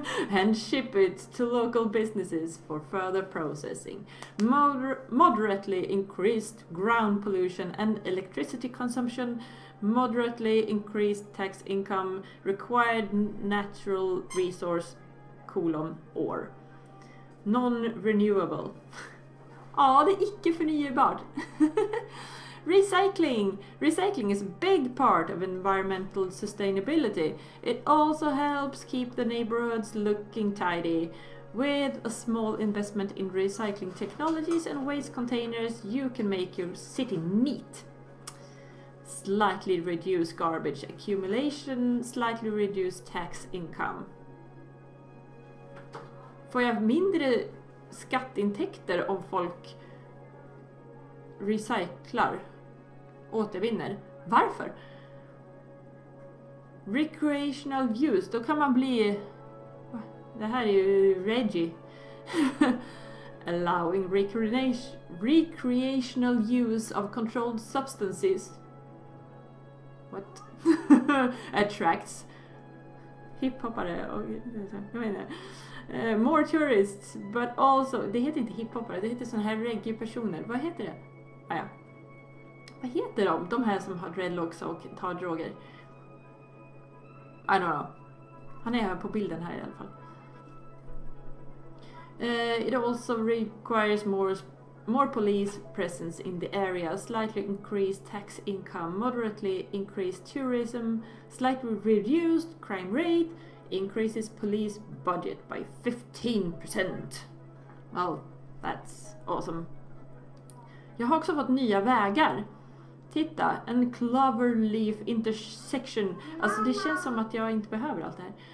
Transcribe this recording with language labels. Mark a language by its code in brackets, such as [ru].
[en] and ship it to local businesses for further processing. Moderately increased ground pollution and electricity consumption, moderately increased tax income, required natural resource, ore. Non-renewable. [sv] Ja, det är icke förnybart. [en] Recycling. Recycling is a big part of environmental sustainability. It also helps keep the neighborhoods looking tidy. With a small investment in recycling technologies and waste containers, you can make your city neat. Slightly reduce garbage accumulation, slightly reduce tax income. [sv] Får jag mindre skatteintäkter om folk recyclar, återvinner? Varför? [en] Recreational use, [sv] då kan man bli... Det här är ju Reggie. [en] Allowing recreational use of controlled substances. What? Attracts. [sv] Hiphopare, jag menar... [en] more tourists, but also... [sv] Det heter inte hiphopare, det heter sådana här reggae-personer. Vad heter det? Ah, ja. Vad heter de? De här som har dreadlocks och tar droger. [en] I don't know. [sv] Han är här på bilden här i alla fall. [en] It also requires more police presence in the area. Slightly increased tax income. Moderately increased tourism. Slightly reduced crime rate. Increases police budget by 15%. Well, that's awesome. [sv] Jag har också fått nya vägar. Titta, en cloverleaf intersection. Alltså det känns som att jag inte behöver allt det här.